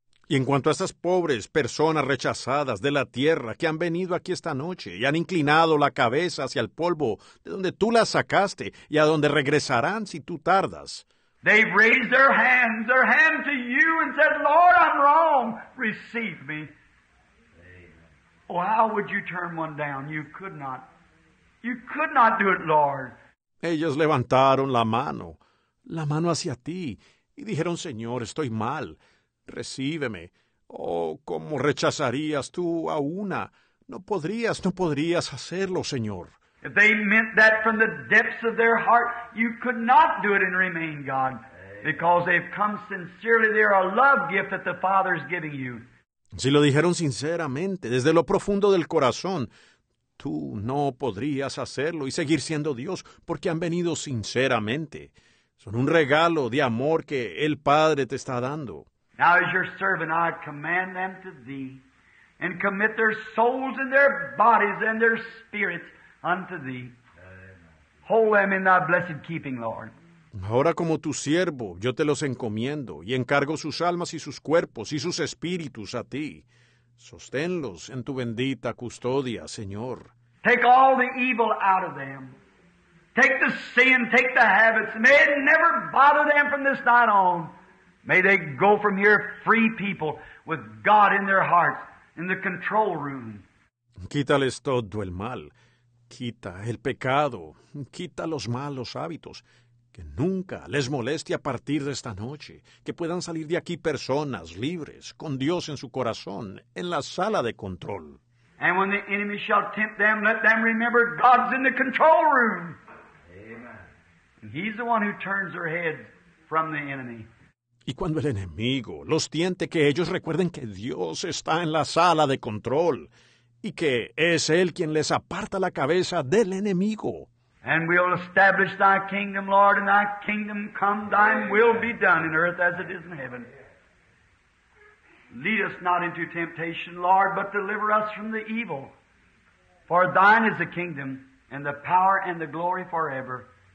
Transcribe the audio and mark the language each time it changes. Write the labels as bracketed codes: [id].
[es] Y en cuanto a estas pobres personas rechazadas de la tierra que han venido aquí esta noche y han inclinado la cabeza hacia el polvo de donde tú las sacaste y a donde regresarán si tú tardas. [en] They've raised their hand to you and said, Lord, I'm wrong. Receive me. Oh, how would you turn one down? You could not. You could not do it, Lord. [es] Ellos levantaron la mano hacia ti y dijeron, Señor, estoy mal. Recíbeme. Oh, cómo rechazarías tú a una. No podrías hacerlo, Señor. [en] If they meant that from the depths of their heart, you could not do it and remain God, because they've come sincerely. They're a love gift that the Father's giving you. [es] Si lo dijeron sinceramente, desde lo profundo del corazón, tú no podrías hacerlo y seguir siendo Dios, porque han venido sinceramente. Son un regalo de amor que el Padre te está dando. [en] Now as your servant, I command them to thee, and commit their souls and their bodies and their spirits unto thee. Hold them in thy blessed keeping, Lord. [es] Ahora como tu siervo, yo te los encomiendo, y encargo sus almas y sus cuerpos y sus espíritus a ti. Sosténlos en tu bendita custodia, Señor. [en] Take all the evil out of them. Take the sin, take the habits. May it never bother them from this night on. May they go from here free people with God in their hearts in the control room. [es] Quítales todo el mal. Quita el pecado. Quita los malos hábitos. Que nunca les moleste a partir de esta noche. Que puedan salir de aquí personas libres, con Dios en su corazón, en la sala de control. [en] And when the enemy shall tempt them, let them remember God's in the control room. He's the one who turns their head from the enemy. [es] Y cuando el enemigo los tiente, que ellos recuerden que Dios está en la sala de control y que es Él quien les aparta la cabeza del enemigo. [en] And we'll establish thy kingdom, Lord, and thy kingdom come, thine will be done in earth as it is in heaven. Lead us not into temptation, Lord, but deliver us from the evil. For thine is the kingdom and the power and the glory forever.